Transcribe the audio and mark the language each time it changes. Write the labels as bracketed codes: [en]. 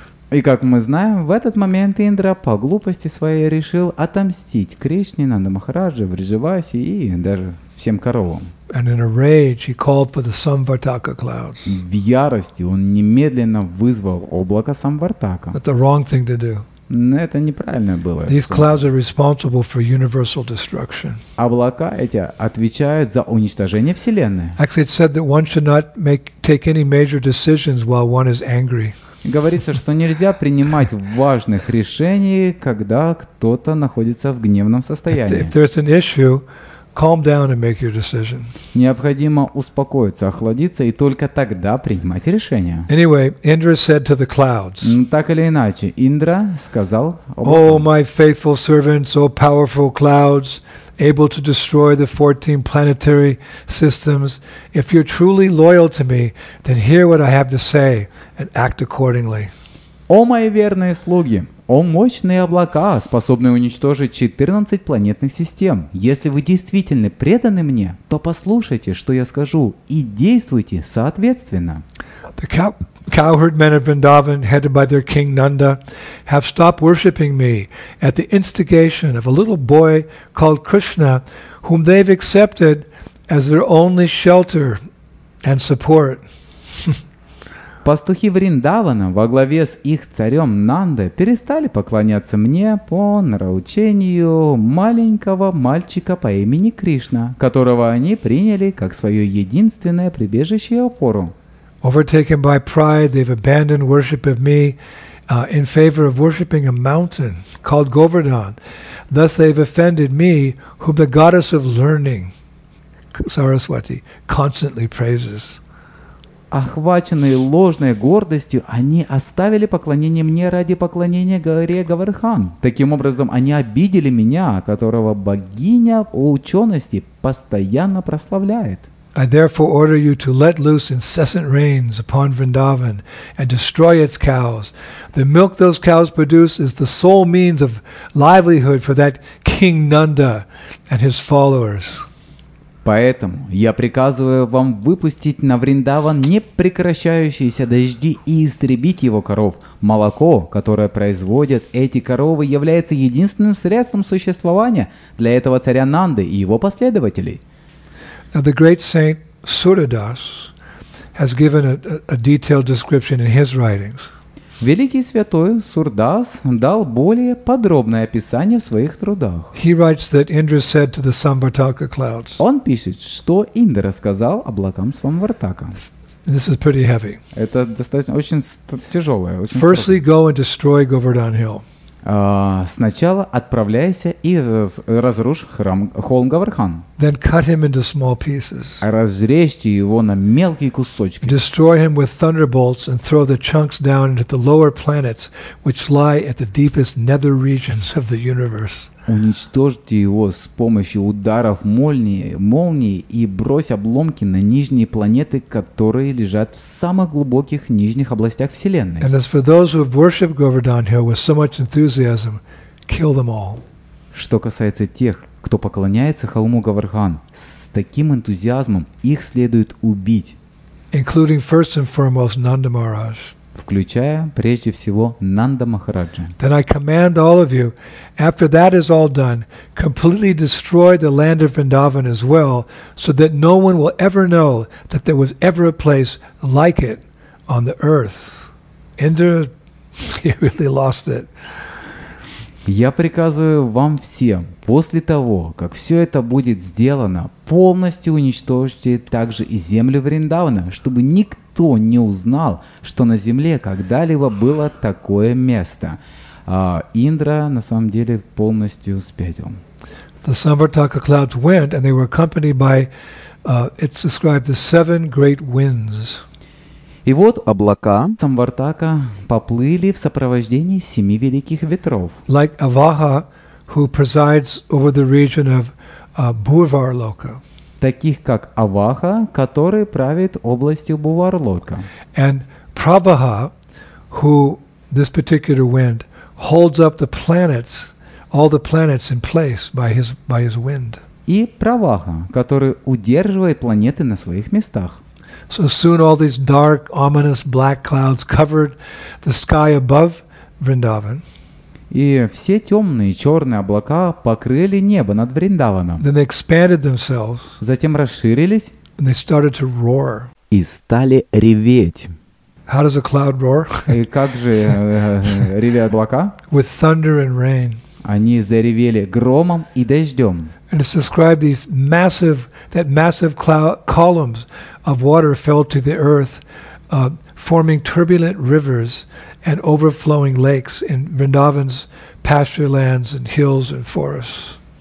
[ru] И как мы знаем, в этот момент Индра по глупости своей решил отомстить Кришне, Нанда Махараджи, Вриджаваси и даже всем коровам. [en] And in a rage he called for the Samvartaka clouds. [ru] В ярости он немедленно вызвал облако Самвартака. [en] That's the wrong thing to do. [ru] Но это неправильно было. [en] These clouds are responsible for universal destruction. [ru] Облака эти отвечают за уничтожение Вселенной. [en] Actually, it's said that one should not take any major decisions while one is angry. [ru] Говорится, что нельзя принимать важных решений, когда кто-то находится в гневном состоянии. [en] If there's an issue, calm down and make your decision. [ru] Необходимо успокоиться, охладиться и только тогда принимать решение. [en] Anyway, Indra said to the clouds. [ru] Так или иначе, Индра сказал: [en] Oh, my faithful servants, oh powerful clouds, able to destroy the 14 planetary systems, if you're truly loyal to me, then hear what I have to say and act accordingly. [ru] О, мои верные слуги! О, мощные облака, способные уничтожить 14 планетных систем! Если вы действительно преданы мне, то послушайте, что я скажу, и действуйте соответственно. [en] The cowherd men of Vrindavan, headed by their king Nanda, have stopped worshipping me at the instigation of a little boy called Krishna, whom they've accepted as their only shelter and support. [ru] Пастухи Вриндавана во главе с их царем Нандой перестали поклоняться мне по нравоучению маленького мальчика по имени Кришна, которого они приняли как свое единственное прибежище и опору. [en] Overtaken by pride, they've abandoned worship of me in favor of worshiping a mountain called Govardhan. Thus they've offended me, whom the goddess of learning, Saraswati, constantly praises. [ru] Охваченные ложной гордостью, они оставили поклонение мне ради поклонения горе Говардхан. Таким образом, они обидели меня, которого богиня учености постоянно прославляет. [en] I therefore order you to let loose incessant rains upon Vrindavan and destroy its cows. The milk those cows produce is the sole means of livelihood for that King Nanda and his followers. [ru] Поэтому я приказываю вам выпустить на Вриндаван непрекращающиеся дожди и истребить его коров. Молоко, которое производят эти коровы, является единственным средством существования для этого царя Нанды и его последователей. [en] Now the great saint Suridas has given a detailed description in his writings. [ru] Великий святой Сурдас дал более подробное описание в своих трудах. [en] He writes that Indra said to the Samvartaka clouds. [ru] Он пишет, что Индра сказал облакам Самвартака. [en] This is pretty heavy. [ru] Это достаточно очень тяжелое. [en] Firstly, go and destroy Govardhan Hill. [ru] Сначала отправляйся и разрушь холм Говардхан. [en] Then cut him into small pieces. [ru] Разрежьте его на мелкие кусочки. [en] Destroy him with thunderbolts and throw the chunks down into the lower planets, which lie at the deepest nether regions of the universe. [ru] Уничтожьте его с помощью ударов молнии и брось обломки на нижние планеты, которые лежат в самых глубоких нижних областях Вселенной. [en] And as for those who have worshipped Govardhan Hill with so much enthusiasm, kill them all. [ru] Что касается тех, кто поклоняется холму Говардхан, с таким энтузиазмом их следует убить, включая прежде всего Нанда Махараджа. [en] Then I command all of you, after that is all done, completely destroy the land of Vrindavan as well, so that no one will ever know that there was ever a place like it on the earth. Indra, he really lost it. [ru] Я приказываю вам всем, после того, как все это будет сделано, полностью уничтожьте также и землю Вриндавана, чтобы никто не узнал, что на земле когда-либо было такое место. А Индра на самом деле полностью спятил. [en] The Samvartaka clouds went, and they were accompanied by, it's described, the seven great winds. [ru] И вот облака Самвартака поплыли в сопровождении семи великих ветров. [en] Like Avaha, who presides over the region of Bhuvarloka. [ru] Таких как Аваха, который правит областью Бхуварлока. [en] And Pravaha, who this particular wind holds up the planets, all the planets in place by his wind. [ru] И Праваха, который удерживает планеты на своих местах. [en] So soon all these dark, ominous black clouds covered the sky above Vrindavan. [ru] И все темные черные облака покрыли небо над Вриндаваном. [en] Then they expanded themselves. [ru] Затем расширились. [en] And they started to roar. [ru] И стали реветь. [en] How does a cloud roar? [ru] И как же ревят облака? [en] With thunder and rain. [ru] Они заревели громом и дождем. [en] And it's described these massive, that massive cloud columns of water fell to the earth, forming turbulent rivers and overflowing lakes in Vrindavan's pasture lands and hills and forests.